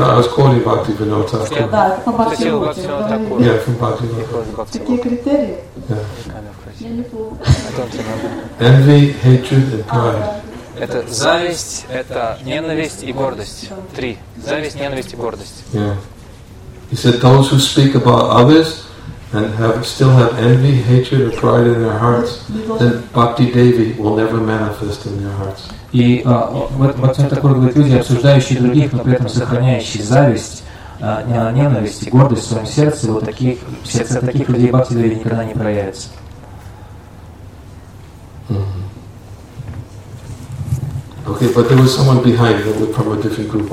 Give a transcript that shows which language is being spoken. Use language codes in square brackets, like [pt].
[en] I was calling Bhakti Vinod [ru] Thakur. Да, по Бхакти Винода [en] Такур. Yeah, from Bhakti Vinod Thakur. [ru] Такие критерии? [en] Yeah. Envy, hatred and pride. [ru] Это зависть, это ненависть и гордость. Три. Зависть, ненависть и гордость. [en] Yeah. He said, those who speak about others and have still have envy, hatred or pride in their hearts, then Bhakti Devi will never manifest in their hearts. [ru] И вот люди, обсуждающие других, но при этом сохраняющие зависть, ненависть и гордость в своем сердце, вот таких, сердце таких людей Бхакти Деви никогда не проявится. [en] Okay, but there was someone behind that was from a different group.